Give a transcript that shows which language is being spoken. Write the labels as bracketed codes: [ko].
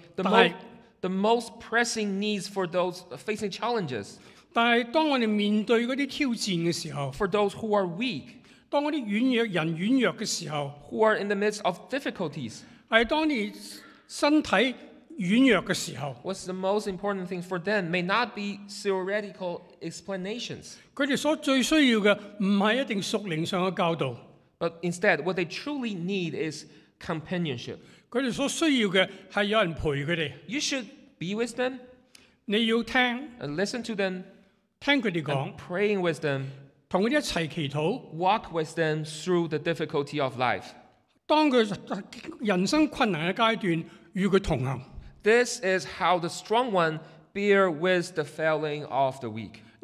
[en] the most pressing needs for those facing challenges, [zh] 但是當我們面對那些挑戰的時候, [en] for those who are weak, [zh] 當那些軟弱人軟弱的時候, [en] who are in the midst of difficulties, [zh] 是當你身體軟弱的時候, [en] what's the most important thing for them may not be theoretical explanations. [zh] 他們所最需要的不是一定屬靈上的教導, [en] but instead, what they truly need is companionship. [zh] 他們所需要的是有人陪他們. [en] You should be with them. [zh] 你要聽, [en] and listen to them. [zh] 聽他們說, [en] and praying with them. [zh] 跟他們一起祈禱, [en] walk with them through the difficulty of life. [zh] 當他人生困難的階段, 與他同行. [en] This is how the strong one bear with the failing of the weak.